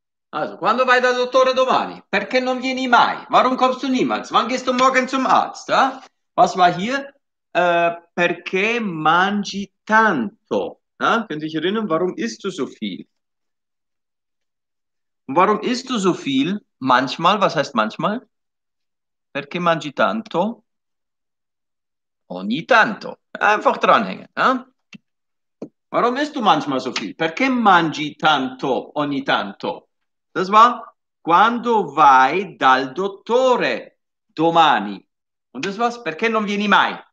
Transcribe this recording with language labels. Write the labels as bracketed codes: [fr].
[it] Also, quando vai dal dottore domani? Perché non vieni mai? [de] Warum kommst du niemals? Wann gehst du morgen zum Arzt? Eh? Was war hier? [it] Perché mangi tanto? [de] Eh? Könnt ihr euch erinnern, warum isst du so viel? Warum isst du so viel? Manchmal, was heißt manchmal? [it] Perché mangi tanto? Ogni tanto. [de] Einfach dranhängen. Ja? Warum isst du manchmal so viel? [it] Perché mangi tanto ogni tanto? [de] Das war, [it] quando vai dal dottore domani. [de] Und das war's, [it] perché non vieni mai?